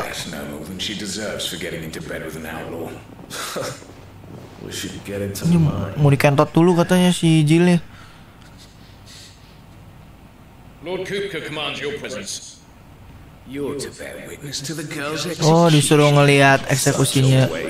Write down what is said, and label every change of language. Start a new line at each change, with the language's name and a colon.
English: That's no more than she deserves for getting into bed with an outlaw.
Indonesian: Ini mau dikentot dulu katanya si Jill-nya.
English: Lord Kupka commands your presence. You're to bear witness to the girl's execution.
Indonesian: Oh, disuruh ngelihat eksekusinya.